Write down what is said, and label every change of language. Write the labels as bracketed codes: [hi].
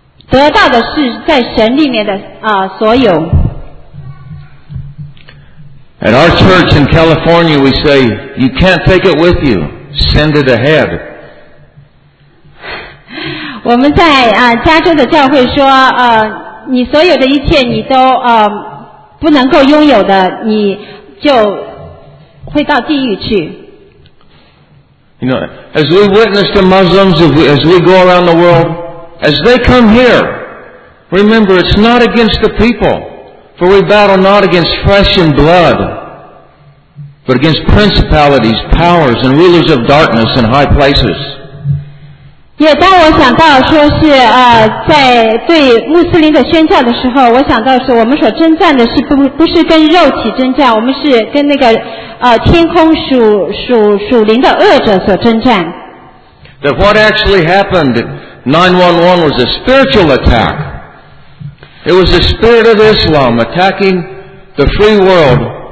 [zh] 得到的是在神里面的所有。 [en] At our church in California, we say, you can't take it with you. Send it ahead. [zh] 我们在加州的教会说你所有的一切你都不能够拥有的你就会到地狱去。 [en] You know, as we witness to Muslims, as we go around the world, as they come here, remember, it's not against the people. For we battle not against flesh and blood. But against principalities, powers, and rulers of darkness in high places. [zh] Yeah, 当我想到说是在对穆斯林的宣教的时候，我想到说我们所征战的是不是跟肉体征战，我们是跟那个天空属灵的恶者所征战。 [en] That what actually happened, 911 was a spiritual attack. It was the spirit of Islam attacking the free world.